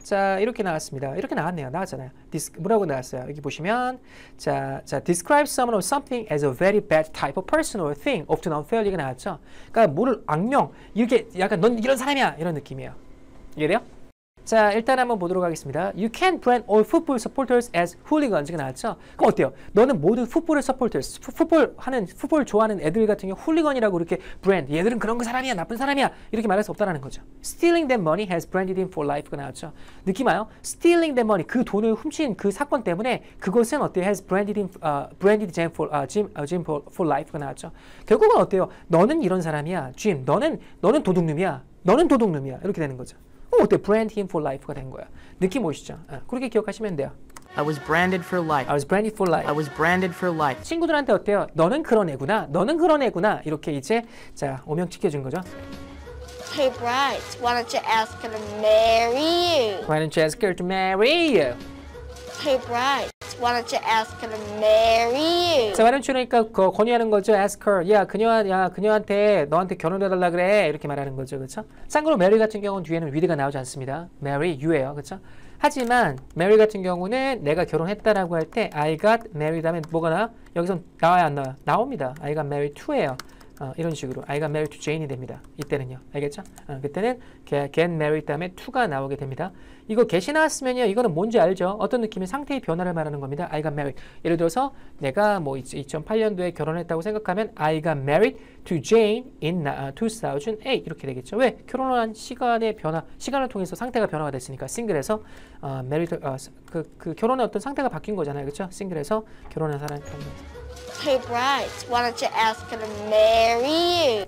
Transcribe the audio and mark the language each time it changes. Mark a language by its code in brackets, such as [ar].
[ko] 자, 이렇게 나왔습니다. 이렇게 나왔네요. 나왔잖아요. 뭐라고 나왔어요? 여기 보시면 자, [en] describe someone or something as a very bad type of person or thing, often unfairly가 나왔죠. [ko] 그러니까 뭐를 악명, 이렇게 약간 넌 이런 사람이야 이런 느낌이에요. 이해 돼요? 자, 일단 한번 보도록 하겠습니다. [en] You can brand all football supporters as hooligans. [ko] 이게 나왔죠? 그럼 어때요? 너는 모든 풋볼의 supporters, 풋볼 좋아하는 애들 같은 경우 hooligan이라고 이렇게 brand. 얘들은 그런 거 사람이야, 나쁜 사람이야. 이렇게 말할 수 없다라는 거죠. [en] Stealing their money has branded him for life. [ko] 이게 나왔죠? 느낌 와요? [en] Stealing their money, [ko] 그 돈을 훔친 그 사건 때문에 그것은 어때요? [en] Has branded him, branded Jim for, for life. [ko] 이게 나왔죠? 결국은 어때요? 너는 이런 사람이야, Jim. 너는 도둑놈이야. 너는 도둑놈이야. 이렇게 되는 거죠. 어때? [en] Brand him for life [ko] 가 된 거야. 느낌 오시죠? 그렇게 기억하시면 돼요. [en] I was branded for life. I was branded for life. I was branded for life. [ko] 친구들한테 어때요? 너는 그런 애구나. 너는 그런 애구나. 이렇게 이제 자 오명 찍혀준 거죠. [en] Hey Bryce, why don't you ask her to marry you? Why don't you ask her to marry you? Hey Bryce. Why don't you ask her to marry you? 자, why don't you니까 [ko] 권유하는 거죠. [en] Ask her. [ko] 그녀한테 너한테 결혼해달라 그래. 이렇게 말하는 거죠. 그렇죠? 참고로 Mary 같은 경우는 뒤에는 with가 나오지 않습니다. Mary, you예요. 그렇죠? 하지만 Mary 같은 경우는 내가 결혼했다라고 할 때 [en] I got married [ko] 다음에 뭐가 나와? 여기서 나와야 안 나와요? [en] 나옵니다. I got married to예요. [ko] 이런 식으로 [en] I got married to Jane이 됩니다. 이때는요. 알겠죠? [ko] 그때는 [en] get married [ko] 다음에 to가 나오게 됩니다. 이거 get이 나왔으면요. 이거는 뭔지 알죠? 어떤 느낌의 상태의 변화를 말하는 겁니다. [en] I got married. [ko] 예를 들어서 내가 뭐 2008년도에 결혼했다고 생각하면 [en] I got married to Jane in 2008. [ko] 이렇게 되겠죠. 왜? 결혼한 시간의 변화, 시간을 통해서 상태가 변화가 됐으니까 싱글에서 married, 그 결혼의 어떤 상태가 바뀐 거잖아요. 그렇죠? 싱글에서 결혼한 사람이 [en] Hey Bryce, why don't you ask her to marry you?